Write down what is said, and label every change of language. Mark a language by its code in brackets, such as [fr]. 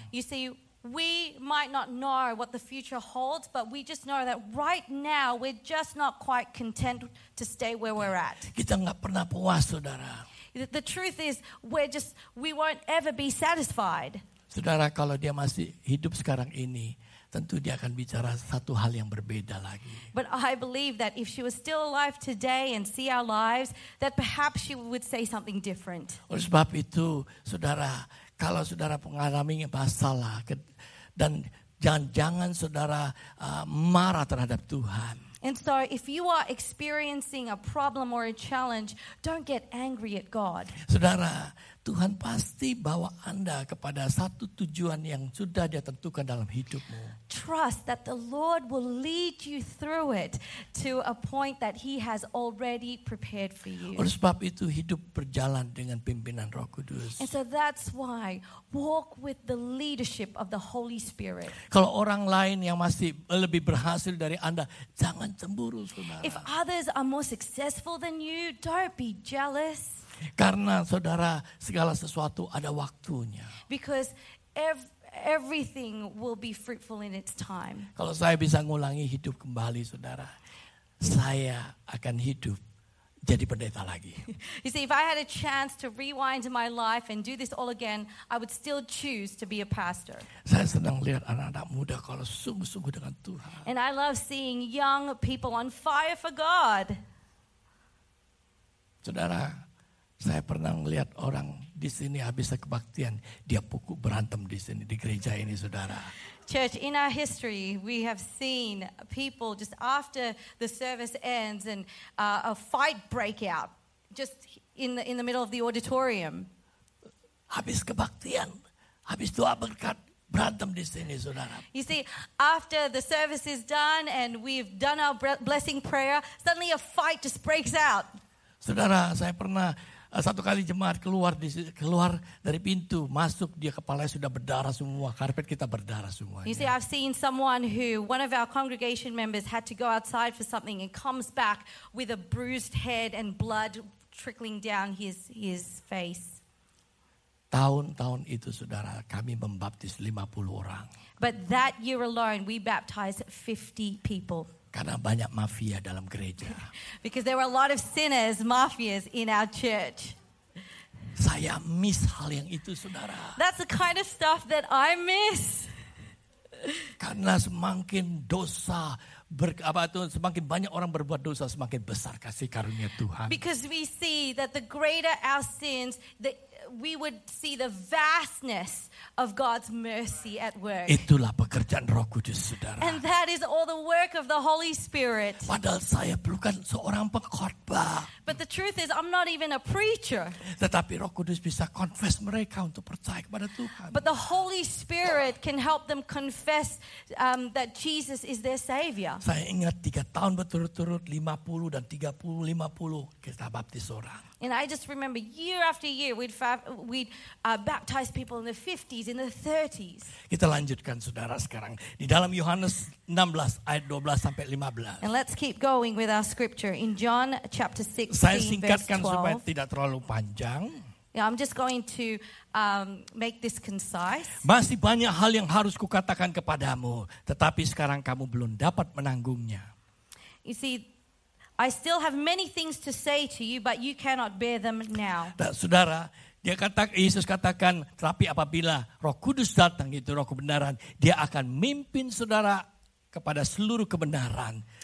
[en] You see, we might not know what the future holds, but we just know that right now we're just not quite content to stay where we're at. [id] Kita enggak pernah puas, saudara. [en] The truth is, we won't ever be satisfied. [id] Saudara, kalau dia masih hidup sekarang ini, tentu dia akan bicara satu hal yang berbeda lagi. [en] But I believe that if she was still alive today and see our lives, that perhaps she would say something different. [id] Oleh sebab itu, saudara, kalau saudara mengalami masalah dan jangan-jangan saudara marah terhadap Tuhan. [en] And so if you are experiencing a problem or a challenge, don't get angry at God. [id] Saudara, Tuhan pasti bawa Anda kepada satu tujuan yang sudah Dia tentukan dalam hidupmu. [en] Trust that the Lord will lead you through it to a point that He has already prepared for you. [id] Oleh sebab itu, hidup berjalan dengan pimpinan Roh Kudus. [en] And so that's why, walk with the leadership of the Holy Spirit. [id] Kalau orang lain yang masih lebih berhasil dari Anda, jangan cemburu, saudara. [en] If others are more successful than you, don't be jealous. [id] Karena saudara, segala sesuatu ada waktunya. [en] Because everything will be fruitful in its time. [id] Kalau saya bisa ngulangi hidup kembali, saudara, saya akan hidup jadi pendeta lagi. [en] You see, if I had a chance to rewind my life and do this all again, I would still choose to be a pastor. [id] Saya senang lihat anak-anak muda kalau sungguh-sungguh dengan Tuhan. [en] And I love seeing young people on fire for God. [id] Saudara, saya pernah melihat orang di sini habis kebaktian, dia pukul berantem di sini di gereja ini, saudara. [en] Church, in our history, we have seen people just after the service ends and a fight break out just in the middle of the auditorium. [id] Habis kebaktian, habis doa berkat, berantem di sini, saudara. [en] You see, after the service is done and we've done our blessing prayer, suddenly a fight just breaks out. [id] Saudara, saya pernah satu kali jemaat keluar dari pintu, masuk, dia kepalanya sudah berdarah semua, karpet kita berdarah semua. [en] You see, I've seen someone who one of our congregation members had to go outside for something and comes back with a bruised head and blood trickling down his face. [id] Tahun-tahun itu, saudara, kami membaptis 50 orang. [en] But that year alone, we baptized 50 people. [id] Karena banyak mafia dalam gereja. [en] Because there were a lot of sinners, mafias in our church. [id] Saya miss hal yang itu, saudara. [en] That's the kind of stuff that I miss. [id] Karena semakin dosa semakin banyak orang berbuat dosa, semakin besar kasih karunia Tuhan. [en] Because we see that the greater our sins, that we would see the vastness of God's mercy at work. [id] Itulah pekerjaan Roh Kudus, saudara. [en] And that is all the work of the Holy Spirit. [id] Padahal saya perlukan seorang pengkhotbah. [en] But the truth is, I'm not even a preacher. [id] Tetapi Roh Kudus bisa confess mereka untuk percaya kepada Tuhan. [en] But the Holy Spirit can help them confess that Jesus is their Savior. [id] Saya ingat 3 tahun berturut-turut, 50 dan 30, 50 kita baptis orang. [en] And I just remember year after year we'd baptize people in the 50s, in the 30s. [id] Kita lanjutkan, saudara, sekarang di dalam Yohanes 16 ayat 12 sampai 15. [en] And let's keep going with our scripture in John chapter 16. [id] Saya singkatkan supaya tidak terlalu panjang. [en] Yeah, I'm just going to make this concise. [id] Masih banyak hal yang harus kukatakan kepadamu, tetapi sekarang kamu belum dapat menanggungnya. [en] You see, I still have many things to say to you, but you cannot bear them now. [id] Nah, saudara, Yesus katakan, tetapi apabila Roh Kudus datang, itu Roh kebenaran, Dia akan memimpin saudara kepada seluruh kebenaran.